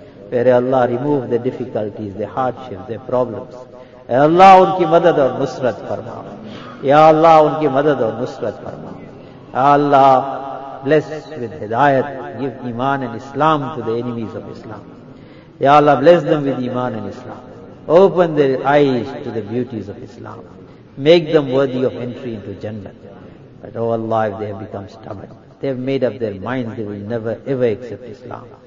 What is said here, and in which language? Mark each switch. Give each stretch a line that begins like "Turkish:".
English: پیرے اللہ remove the difficulties, the hardship, the problems.
Urdu: اے اللہ ان کی مدد اور نصرت فرما، یا اللہ ان کی مدد اور نصرت فرما.
English: O Allah bless with ہدایت، give ایمان and Islam to the enemies of Islam. یا اللہ بلیس دم ود ایمان and Islam, open their eyes to the beauties of Islam, make them worthy of entry to جنت. But O Allah, if they have become stubborn, they have made up their mind, they will never ever accept Islam.